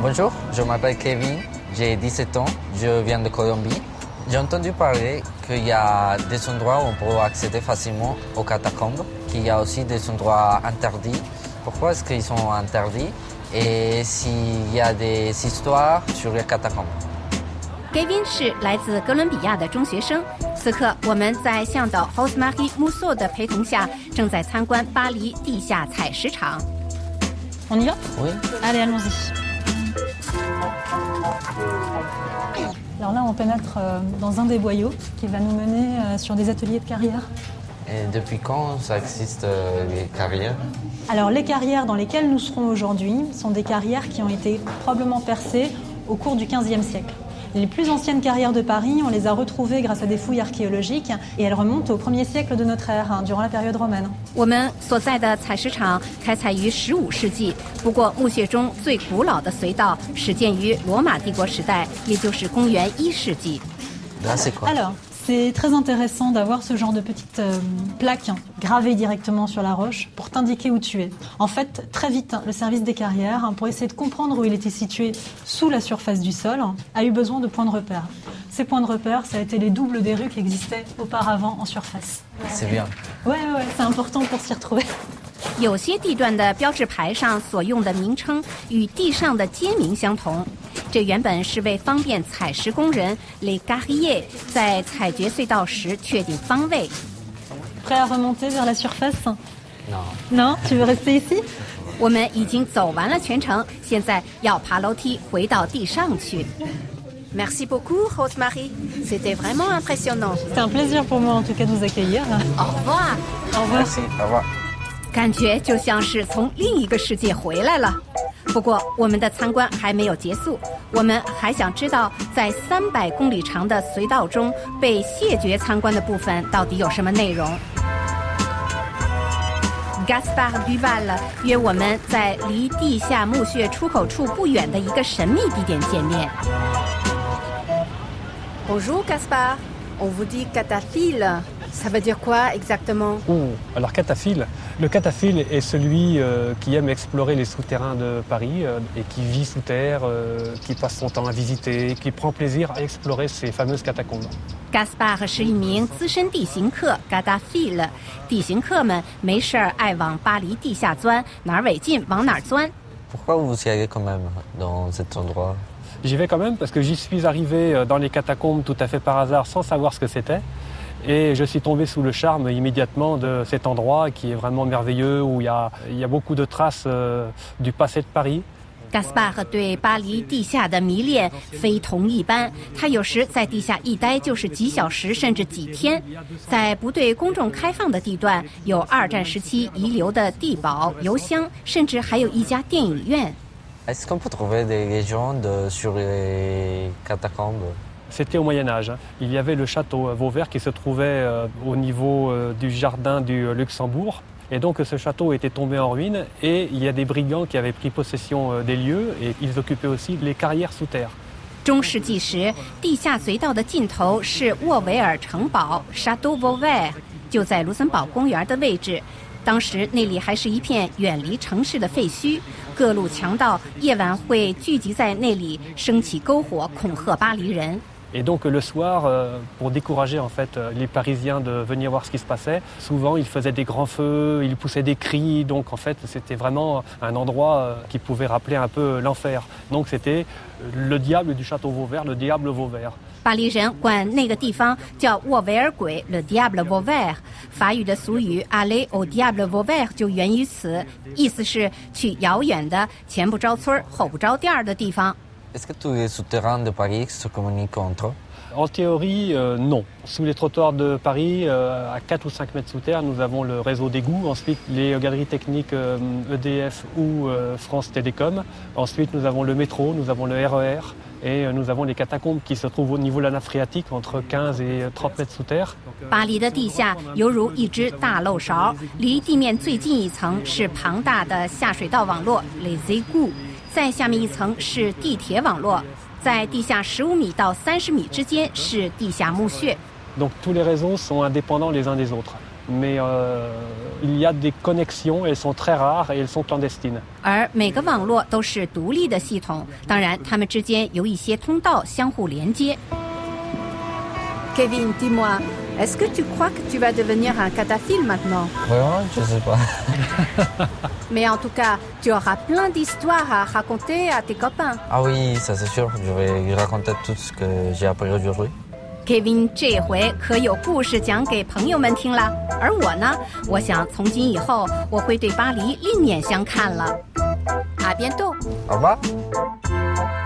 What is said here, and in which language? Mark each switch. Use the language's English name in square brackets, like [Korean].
[French] Bonjour, je m'appelle Kevin, j'ai 17 ans, je viens de Colombie. J'ai entendu parler qu'il y a des endroits où on peut accéder facilement aux catacombes, qu'il y a aussi des endroits interdits. Pourquoi est-ce qu'ils sont interdits ? Et s'il y a des histoires sur les catacombes ? [Chinese] Kevin 是来自哥伦比亚的中学生，此刻我们在向导 Jose Marie Musso 的陪同下正在参观巴黎地下采石场。 [French] On y va? Oui. Allez, allons-y. Alors là, on pénètre dans un des boyaux qui va nous mener sur des ateliers de carrière. Et depuis quand ça existe, les carrières? Alors les carrières dans lesquelles nous serons aujourd'hui sont des carrières qui ont été probablement percées au cours du 15e siècle. Les plus anciennes carrières de Paris, on les a retrouvées grâce à des fouilles archéologiques et elles remontent au 1er siècle de notre ère, durant la période romaine. [Chinese] 我们所在的采石场开采于15世纪，不过墓穴中最古老的隧道始建于罗马帝国时代，也就是公元1世纪。 [French] Là, c'est quoi? Alors, c'est très intéressant d'avoir ce genre de petites plaques gravées directement sur la roche pour t'indiquer où tu es. En fait, très vite, le service des carrières, pour essayer de comprendre où il était situé sous la surface du sol, a eu besoin de points de repère. ces points de repère, ça a été les doubles des rues qui existaient auparavant en surface. C'est bien. Ouais, ouais, c'est important pour s'y retrouver. [Chinese] 有些地段的标志牌上所用的名称与地上的街名相同，这原本是为方便采石工人 Les Garriers 在采掘隧道时确定方位。 [French] Prêt à remonter vers la surface? Non. Non? Tu veux rester ici? [Chinese] 我们已经走完了全程，现在要爬楼梯回到地上去。 [French] Merci beaucoup, Rosemary. C'était vraiment impressionnant. C'est un plaisir pour moi en tout cas de vous accueillir. Au revoir. Au revoir. Merci. Au revoir. [Chinese] 感觉就像是从另一个世界回来了。不过我们的参观还没有结束，我们还想知道在300公里长的隧道中被谢绝参观的部分到底有什么内容。 Gaspard Duval 约我们在离地下墓穴出口处不远的一个神秘地点见面。 [French] Bonjour Gaspard, on vous dit cataphile, ça veut dire quoi exactement? Oh, alors cataphileLe cataphile est celui qui aime explorer les souterrains de Paris et qui vit sous terre, qui passe son temps à visiter, qui prend plaisir à explorer ces fameuses catacombes. [Chinese] Gaspard 是一名资深地形客 ,cataphile. 地形客们没事儿爱往巴黎地下钻，哪儿违禁往哪儿钻。 [French] Pourquoi vous y allez quand même dans cet endroit? J'y vais quand même parce que j'y suis arrivé dans les catacombes tout à fait par hasard sans savoir ce que c'était. Et je suis tombé sous le charme immédiatement de cet endroit qui est vraiment merveilleux, où il y a beaucoup de traces du passé de Paris. [Chinese] Gaspard 对巴黎地下的迷恋非同一般，他有时在地下一待就是几小时甚至几天。在不对公众开放的地段，有二战时期遗留的地堡、邮箱，甚至还有一家电影院。 [French] Est-ce qu'on peut trouver des légendes sur les catacombes? C'était au Moyen Âge. Il y avait le château Vauvert qui se trouvait au niveau du jardin du Luxembourg. Et donc ce château était tombé en ruine et il y a des brigands qui avaient pris possession des lieux et ils occupaient aussi les carrières sous terre. [Chinese] 中世纪时，地下隧道的尽头是沃维尔城堡 （Château Vauvert）， 就在卢森堡公园的位置。当时那里还是一片远离城市的废墟，各路强盗夜晚会聚集在那里，升起篝火恐吓巴黎人。 [French] Et donc le soir, pour décourager en fait les Parisiens de venir voir ce qui se passait, souvent ils faisaient des grands feux, ils poussaient des cris, donc en fait c'était vraiment un endroit qui pouvait rappeler un peu l'enfer. Donc c'était le diable du château Vauvert, le diable Vauvert. [Chinese] 巴黎人管那个地方叫沃维尔鬼 [French] le diable Vauvert. [Chinese] 法语的俗语 [French] aller au diable Vauvert [Chinese] 就源于此，意思是去遥远的前不着村后不着店的地方。 [French] Est-ce que tous les souterrains de Paris se communiquent entre eux? En théorie, non. Sous les trottoirs de Paris, à 4 ou 5 mètres sous terre, nous avons le réseau d'égouts. Ensuite, les galeries techniques EDF ou France Télécom. Ensuite, nous avons le métro, nous avons le RER. Et nous avons les catacombes qui se trouvent au niveau de la nappe phréatique, entre 15 et 30 mètres sous terre. [Chinese] Paris 的地下犹如一只大漏勺，离地面最近一层是庞大的下水道网络 [French] les égouts. [Chinese] 再下面一层是地铁网络，在地下15米到30米之间是地下墓穴。 [French] Donc tous les réseaux sont indépendants les uns des autres, mais il y a des connexions, elles sont très rares et elles sont clandestines. [Chinese] 而每个网络都是独立的系统，当然它们之间有一些通道相互连接。 [French] Kevin, dis-moi, est-ce que tu crois que tu vas devenir un cataphile maintenant? Vraiment, je ne sais pas. Mais en tout cas, tu auras plein d'histoires à raconter à tes copains. Ah oui, ça c'est sûr, je vais raconter tout ce que j'ai appris aujourd'hui. [Chinese] Kevin, 这回可有故事讲给朋友们听了。而我呢，我想从今以后，我会对巴黎另眼相看了。 [French] À bientôt. Au revoir.